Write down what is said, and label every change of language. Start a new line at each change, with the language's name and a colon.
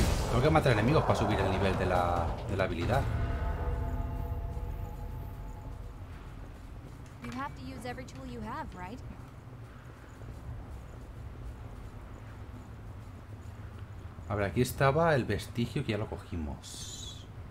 Spanish: Tengo que matar enemigos para subir el nivel de la habilidad.
English: You have to use every tool you have, right?
Spanish: A ver, aquí estaba el vestigio que ya lo cogimos.